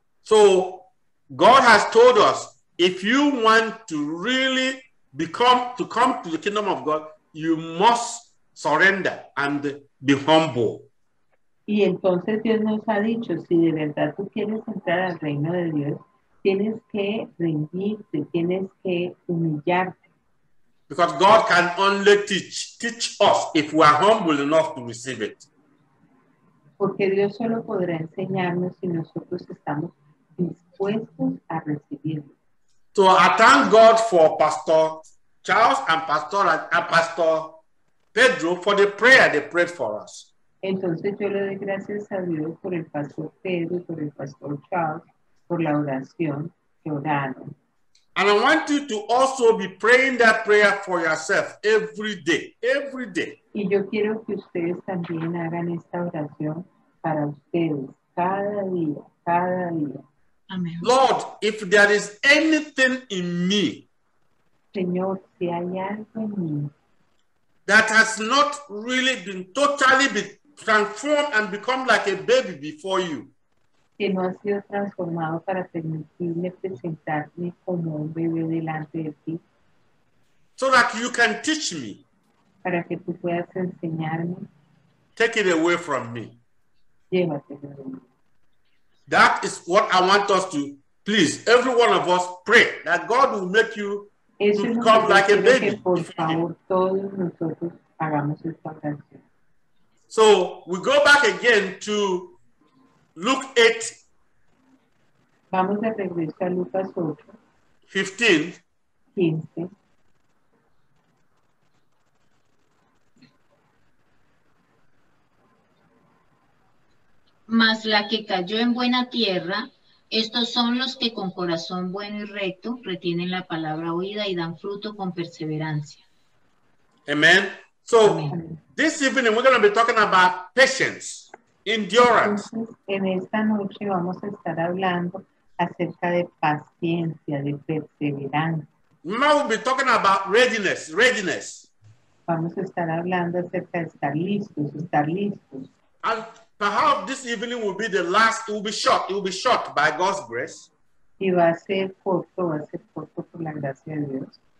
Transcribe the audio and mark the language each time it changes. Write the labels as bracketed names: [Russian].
[English] So, God has told us, if you want to really come to the kingdom of God, you must surrender and be humble. [Spanish] Y entonces Dios nos ha dicho, si de verdad tú quieres entrar al reino de Dios, tienes que rendirte, tienes que humillarte. [English] Because God can only teach us if we are humble enough to receive it. [Spanish] Porque Dios solo podrá enseñarnos si nosotros estamos dispuestos a recibirlo. [English] So I thank God for Pastor Charles and Pastor Pedro for the prayer they prayed for us. [Spanish] Entonces yo le doy gracias a Dios por el Pastor Pedro, por el Pastor Charles, por la oración que oraron. [English] And I want you to also be praying that prayer for yourself every day, every day. [Spanish] Y yo quiero que ustedes también hagan esta oración para ustedes, cada día, cada día. [English] Amen. Lord, if there is anything in me, [Spanish] Señor, si hay algo en mí, [English] that has not really been totally been transformed and become like a baby before you, [Spanish] que no ha sido transformado para permitirme presentarme como un bebé delante de ti. [English] So that you can teach me. [Spanish] Para que tú puedas enseñarme. [English] Take it away from me. [Spanish] Llévatelo de mí. [English] That is what I want us to, please, every one of us, pray that God will make you [Spanish] eso [English] to become like a baby. [Spanish] Por favor, todos nosotros hagamos esta oración. [English] So we go back again to Luke 8. [Spanish] Vamos de regreso a Lucas 8. [English] 15. [Spanish] 15. Mas la que cayó en buena tierra, estos son los que con corazón bueno y recto retienen la palabra oída y dan fruto con perseverancia. [English] Amen. So, amen. This evening we're going to be talking about patience. Endurance. [Spanish] En esta noche vamos a estar hablando acerca de paciencia, de perseverancia. [English] Now we'll be talking about readiness, readiness. [Spanish] Vamos a estar hablando acerca de estar listos, estar listos. [English] And perhaps this evening will be the last, it will be short by God's grace. [Spanish] Y va a ser corto por la gracia de Dios.